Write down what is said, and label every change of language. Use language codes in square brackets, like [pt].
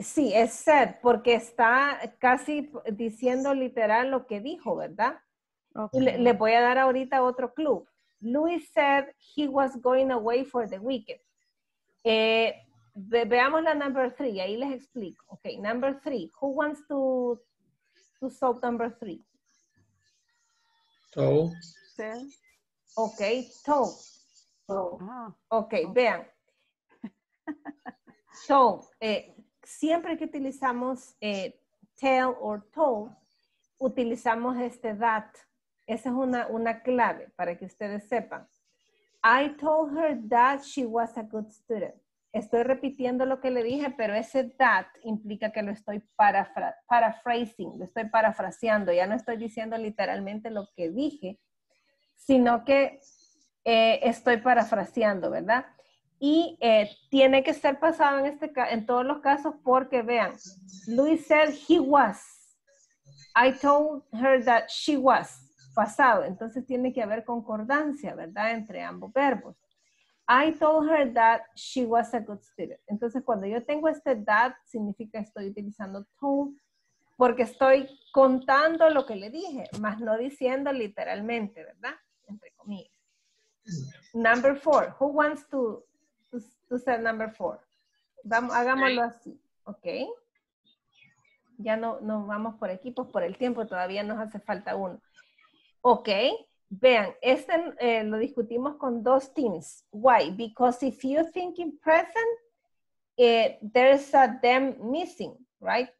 [es] Sí, es said, porque está casi diciendo literal lo que dijo, ¿verdad? Okay. Le voy a dar ahorita otro clue. [en] Luis said he was going away for the weekend. [es] Veamos la [en] number 3, [es] ahí les explico. [en] Okay, number 3. Who wants to solve number 3? Told. Okay, told. Okay, [es] vean. So, siempre que utilizamos [en] tell or told, [es] utilizamos este that. Esa es una clave para que ustedes sepan. [en] I told her that she was a good student. [es] Estoy repitiendo lo que le dije, pero ese that implica que lo estoy paraphrasing, lo estoy parafraseando. Ya no estoy diciendo literalmente lo que dije, sino que estoy parafraseando, ¿verdad? Y tiene que ser pasado en este en todos los casos porque, vean, [en] Luis said he was. I told her that she was. [es] Pasado. Entonces tiene que haber concordancia, ¿verdad? Entre ambos verbos. [en] I told her that she was a good student. [es] Entonces, cuando yo tengo este that, significa estoy utilizando told, porque estoy contando lo que le dije, más no diciendo literalmente, ¿verdad? Entre comillas. [en] Number 4. Who wants to say number 4? [es] Vamos, hagámoslo así, [en] ¿ok? [es] Ya no vamos por equipos, por el tiempo, todavía nos hace falta uno. Ok. Vean, este lo discutimos con dos teams. [en] Why? Because if you think in present, there's a them missing, right?